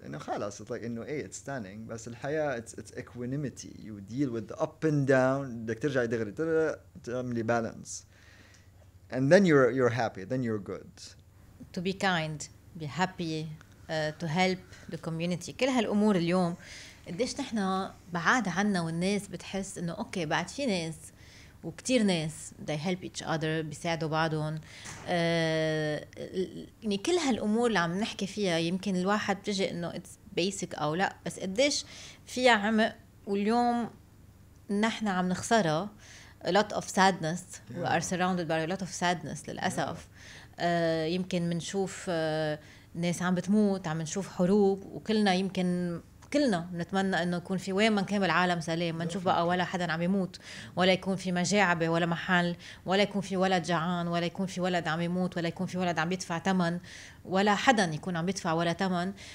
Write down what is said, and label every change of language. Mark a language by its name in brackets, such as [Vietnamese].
[Arabic] إنه خلاص, [English] it's like, إنه it's stunning. [Arabic] بس الحياة, [English] it's equanimity. You deal with the up and down. [Arabic] بدك ترجع دغري تعملي [English] balance. And then you're happy. Then you're good. To be kind. be happy, to help the community. [Arabic] كل هالأمور اليوم قديش نحنا بعاد عنا، والناس بتحس إنه أوكي بعد في ناس وكتير ناس [English] they help each other، [Arabic] بيساعدوا بعضهم. يعني كل هالأمور اللي عم نحكي فيها يمكن الواحد بيجي إنه [English] it's basic [Arabic] أو لا، بس قديش فيها عمق، واليوم نحنا عم نخسرها. [English] A lot of sadness. Yeah. We are surrounded by a lot of sadness [Arabic] للأسف. يمكن منشوف ناس عم بتموت، عم نشوف حروب، وكلنا يمكن كلنا نتمنى انه يكون في وين ما كان العالم سليم، ما نشوف بقى ولا حدا عم يموت، ولا يكون في مجاعة ولا محل، ولا يكون في ولد جعان، ولا يكون في ولد عم يموت، ولا يكون في ولد عم يدفع ثمن، ولا حدا يكون عم يدفع ولا ثمن.